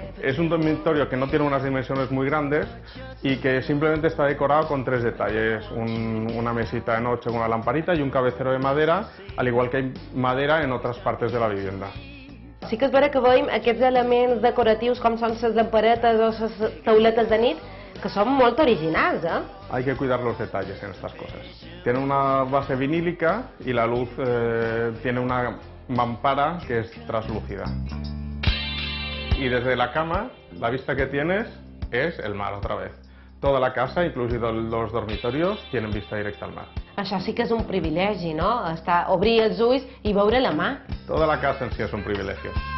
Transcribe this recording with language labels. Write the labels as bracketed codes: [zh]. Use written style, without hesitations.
[es] Es un dormitorio que no tiene unas dimensiones muy grandes y que simplemente está decorado con tres detalles. Una mesita de noche con una lamparita y un cabecero de madera, al igual que hay madera en otras partes de la vivienda. Sí que es verdad que [ca] veiem aquests elements decoratius com són les lamparetes o les tauletes de nit, que són molt originals, eh? [es] Hay que cuidar los detalles en estas cosas. Tiene una base vinílica y la luz tiene una mampara que es translúcida. Y desde la cama, la vista que tienes es el mar otra vez. Toda la casa, incluido los dormitorios, tienen vista directa al mar. [ca] Això sí que és un privilegi, no? Estar, obrir els ulls i veure la mar. [es] Toda la casa en sí [ca] és un privilegi.